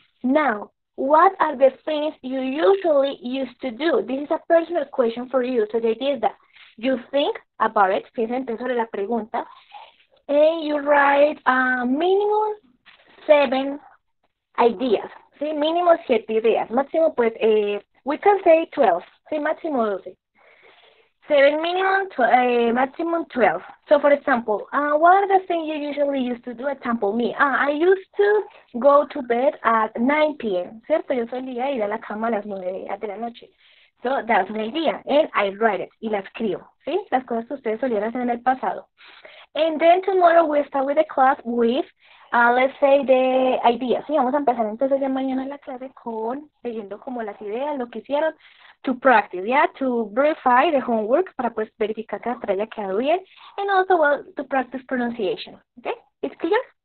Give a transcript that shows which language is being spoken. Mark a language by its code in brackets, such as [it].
[en] Now, what are the things you usually used to do? This is a personal question for you. So, the idea is that you think about it, [es] piensa en sobre la pregunta, [en] and you write a minimum 7 ideas. [es] ¿Sí? Mínimo 7 ideas. Máximo, pues, [en] we can say 12. [es] ¿Sí? Máximo 12. [en] 7 minimum, maximum 12. So for example, what are the things you usually used to do? Example, me. I used to go to bed at 9 p.m. [es] ¿Cierto? Yo solía ir a la cama a las 9 de la noche. [en] So that's the idea. And I write it. [es] Y la escribo. ¿Sí? Las cosas que ustedes solían hacer en el pasado. [en] And then tomorrow we start with the class with, let's say, the ideas. [es] ¿Sí? Vamos a empezar entonces ya mañana la clase con, leyendo como las ideas, lo que hicieron. [en] To practice, yeah, to verify the homework, [es] para pues verificar que la tarea queda bien, [en] and also well, to practice pronunciation, okay? It's clear?